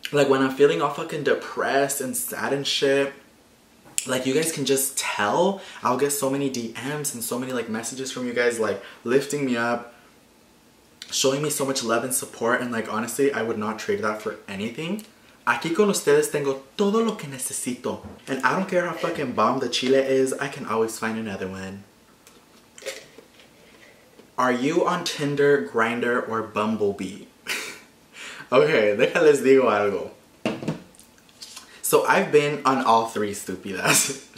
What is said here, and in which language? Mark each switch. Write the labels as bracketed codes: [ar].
[en] Like, when I'm feeling all fucking depressed and sad and shit, like, you guys can just tell. I'll get so many DMs and so many, like, messages from you guys, like, lifting me up, showing me so much love and support, and, like, honestly, I would not trade that for anything. [es] Aquí con ustedes tengo todo lo que necesito. [en] And I don't care how fucking bomb the chile is, I can always find another one. Are you on Tinder, Grindr, or Bumblebee? Okay, [es] déjales digo algo. [en] So I've been on all three, stupidas.